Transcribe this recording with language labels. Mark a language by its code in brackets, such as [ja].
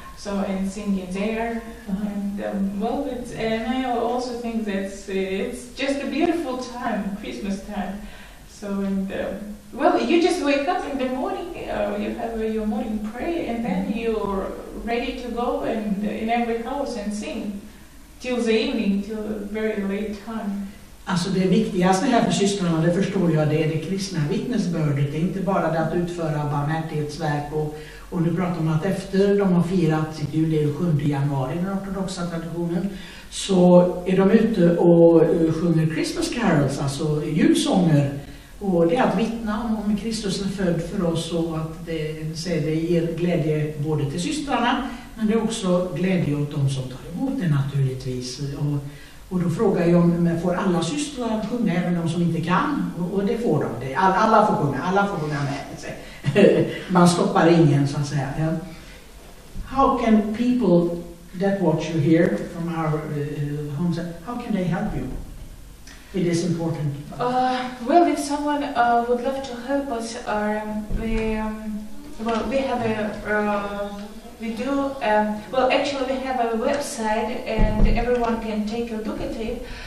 [en] So, and singing there. And I also think that it's just a beautiful time, Christmas time. So, and you just wake up in the morning, you have your morning prayer, and then you're ready to go and in every house and sing till the evening, till a very late time. [sv] Alltså det viktigaste här för systrarna, det förstår jag, det är det kristna vittnesbördet. Det är inte bara det att utföra barmhärtighetsverk. Och nu pratar man att efter de har firat sitt jul, det är 7 januari i den ortodoxa traditionen, så är de ute och sjunger Christmas carols, alltså julsånger. Och det är att vittna om Kristus är född för oss och att det ger glädje både till systrarna, men det är också glädje åt dem som tar emot det naturligtvis. Och då frågar jag om får alla systrar sjunga, även de som inte kan? Och det får de. Alla får sjunga med. man stoppar ingen så att säga. Yeah. [en] How can people that watch you here from our homes, how can they help you? It is important. Well, if someone would love to help us, we have a website and everyone can take a look at it.